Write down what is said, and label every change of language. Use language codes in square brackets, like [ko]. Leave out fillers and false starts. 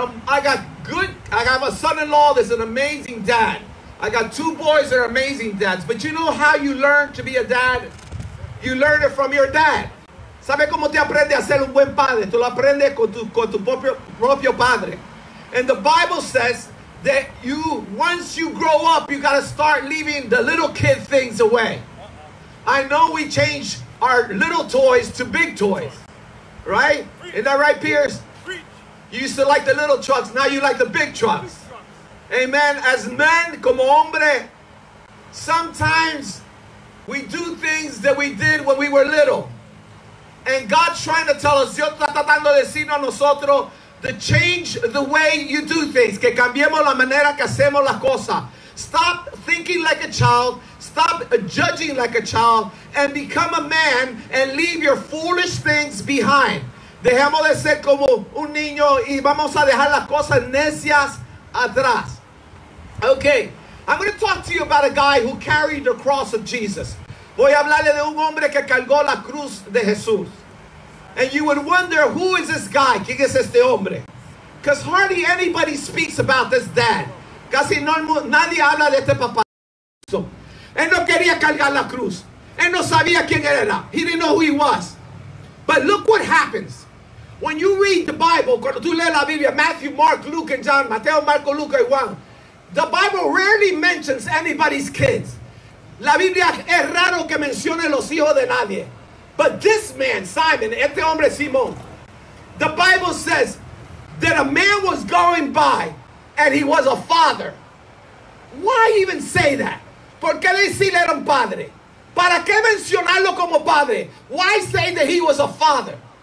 [en] I have a son-in-law that's an amazing dad. I got two boys that are amazing dads. But you know how you learn to be a dad? You learn it from your dad. [es] ¿Sabe cómo te aprende a ser un buen padre? Tú lo aprendes con tu propio padre. [en] And the Bible says that you, once you grow up, you got to start leaving the little kid things away. I know we change our little toys to big toys. Right? Isn't that right, Pierce? You used to like the little trucks. Now you like the big trucks. Amen. As men, [es] como hombre, [en] sometimes we do things that we did when we were little. And God's trying to tell us, [es] Dios está tratando de decirnos a nosotros, [en] to change the way you do things. [es] Que cambiemos la manera que hacemos las cosas. [en] Stop thinking like a child. Stop judging like a child. And become a man and leave your foolish things behind. [es] Dejemos de ser como un niño y vamos a dejar las cosas necias atrás. [en] Okay, I'm going to talk to you about a guy who carried the cross of Jesus. [es] Voy a hablarle de un hombre que cargó la cruz de Jesús. [en] And you would wonder, who is this guy? [es] ¿Quién es este hombre? [en] Because hardly anybody speaks about this dad. [es] Casi nadie habla de este papá. So, él no quería cargar la cruz. Él no sabía quién era. [en] He didn't know who he was. But look what happens. When you read the Bible, [es] cuando tú lees la Biblia, [en] Matthew, Mark, Luke, and John, Mateo, Marco, Luca, y Juan, the Bible rarely mentions anybody's kids. [es] La Biblia es raro que mencione los hijos de nadie. [en] But this man, Simon, [es] este hombre Simón, [en] the Bible says that a man was going by and he was a father. Why even say that? [es] ¿Por qué decirle era un padre? ¿Para qué mencionarlo como padre? [en] Why say that he was a father?